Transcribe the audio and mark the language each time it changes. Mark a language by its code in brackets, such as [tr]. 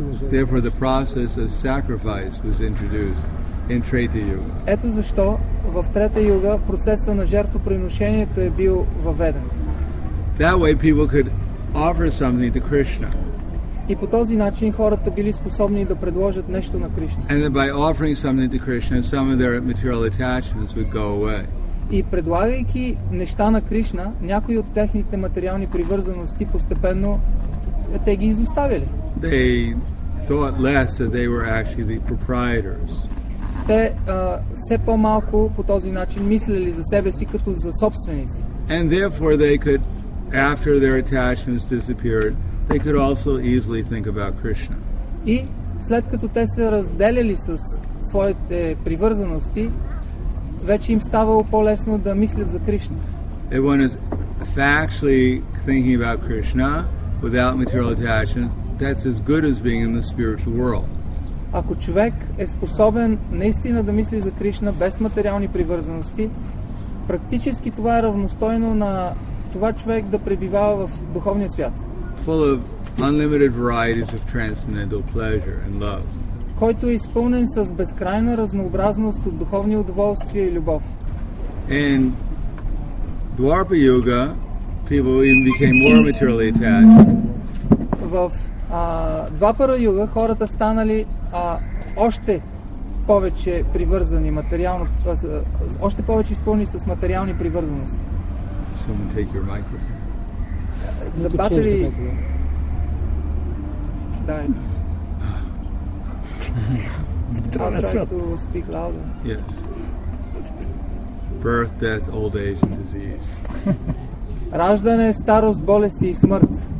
[en] Therefore the process of sacrifice was introduced in Treta Yuga. [bg] Ето защо в Трета Юга процеса на жертвоприношението е бил въведен. [en] That way people could offer something to Krishna. [bg] И по този начин хората били способни да предложат нещо на Кришна. [en] And by offering something to Krishna, some of their material attachments would go away. [bg] И предлагайки неща на Кришна, някои от техните материални привързаности постепенно те ги изоставили. [en] They thought less that they were actually the proprietors. [bg] Те все по-малко по този начин мислили за себе си като за собственици. [en] And therefore they could, after their attachments disappeared, they could also easily think about Krishna. [bg] И след като те се разделяли с своите привързаности, вече им ставало по-лесно да мислят за Кришна. [en] If one is factually thinking about Krishna without material attachment, that's as good as being in the spiritual world. [bg] Ако човек е способен наистина да мисли за Кришна без материални привързаности, практически това е равностойно на това човек да пребивава в духовния свят. [en] Full of unlimited varieties of transcendental pleasure and love. [bg] Който е изпълнен с безкрайна разнообразност от духовни удоволствия и любов. [en] In Dwarpa Yuga, people even became more materially attached. [bg] В Двапара Юга хората станали още повече привързани материално, още повече изпълнени с материални привързаности. [en] Someone take your microphone. The battery. [bg] Да. [en] I'll try to speak louder. Yes. Birth, death, old age and disease. [bg] Раждане, старост, болести и смърт.